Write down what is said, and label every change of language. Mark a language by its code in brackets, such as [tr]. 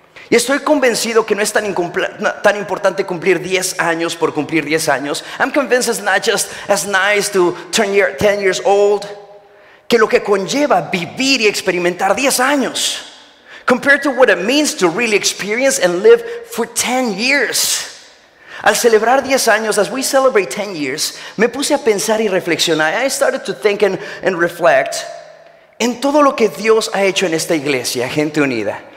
[es] Y estoy convencido que no es tan importante cumplir 10 años por cumplir 10 años. [en] I'm convinced it's not just as nice to turn 10 years old. [es] Que lo que conlleva vivir y experimentar 10 años. [en] Compared to what it means to really experience and live for 10 years. [es] Al celebrar 10 años, [en] as we celebrate 10 years, [es] me puse a pensar y reflexionar. [en] I started to think and reflect [es] en todo lo que Dios ha hecho en esta iglesia, Gente Unida.